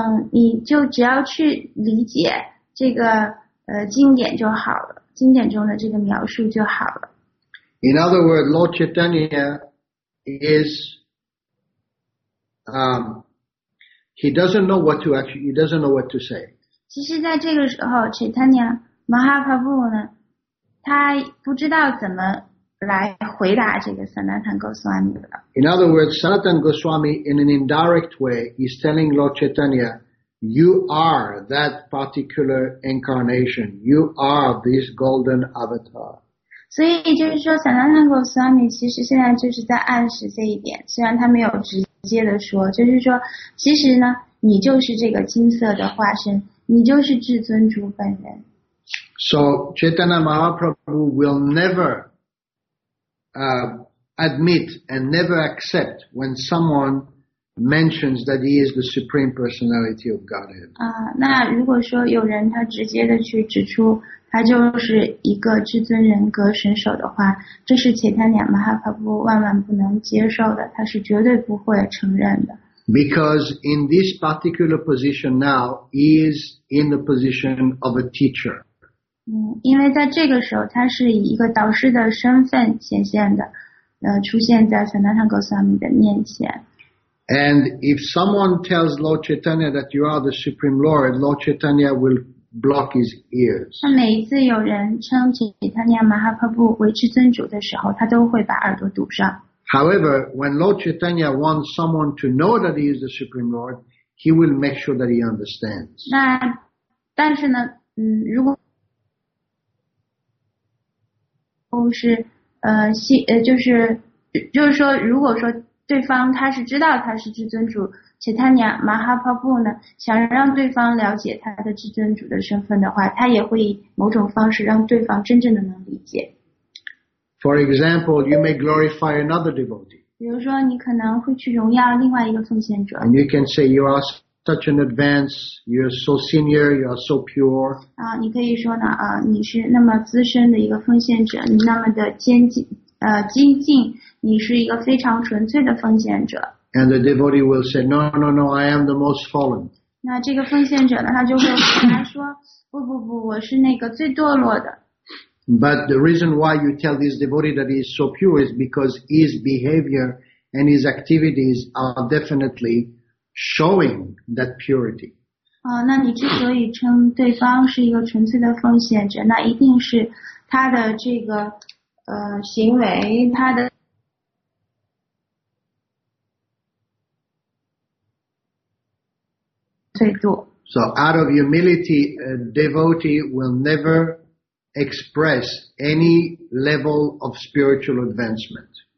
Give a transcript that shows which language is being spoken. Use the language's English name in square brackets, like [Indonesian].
[Chinese] 你就只要去理解这个经典就好了经典中的这个描述就好了 [English] In other words, Lord Chaitanya is he doesn't know what to say [Chinese] 其实在这个时候 Chaitanya Mahaprabhu 呢他不知道怎么来回答这个 Sanatana Goswami 了 [English] In other words, Sanatana Goswami in an indirect way is telling Lord ChaitanyaYou are that particular incarnation. You are this golden avatar. [Chinese] 所以就是说 Sanatana Goswami 其实现在就是在暗示这一点虽然他没有直接的说就是说其实呢你就是这个金色的化身你就是至尊主本人。 [English] So Chaitanya Mahaprabhu will never admit and never accept when someone... mentions that he is the Supreme Personality of Godhead. [Chinese] 那如果说有人他直接的去指出他就是一个至尊人格神手的话这是切坦尼亚马哈帕布万万不能接受的他是绝对不会承认的。 [English] Because in this particular position now, he is in the position of a teacher. [Chinese] 因为在这个时候他是以一个导师的身份显现的出现在 Sanatana Goswami 的面前。 [English] And if someone tells Lord Chaitanya that you are the Supreme Lord, Lord Chaitanya will block his ears. [Chinese] 他每一次有人称切坦尼亚马哈帕布为至尊主的时候，他都会把耳朵堵上。 [English] However, when Lord Chaitanya wants someone to know that he is the Supreme Lord, he will make sure that he understands. [Chinese] 那但是呢，如果如果说。对方他是知道他是至尊主且他娘马哈帕布呢想让对方了解他的至尊主的身份的话他也会以某种方式让对方真正的能理解。 [English] For example, you may glorify another devotee. [Chinese] 比如说你可能会去荣耀另外一个奉献者。 [English] And you can say you are such an advance, you are so senior, you are so pure. [Chinese] 你可以说呢你是那么资深的一个奉献者你那么的坚定。精进，你是一个非常纯粹的奉献者。 [English] And the devotee will say, "No, no, no! I am the most fallen." [Chinese] 那这个奉献者呢，他就会回答说，不不不，我是那个最堕落的。 [English] But the reason why you tell this devotee that he is so pure is because his behavior and his activities are definitely showing that purity. [Chinese] 那你之所以称对方是一个纯粹的奉献者，那一定是他的这个行为，他的。 [English] So out of humility, a devotee will never express any level of spiritual advancement.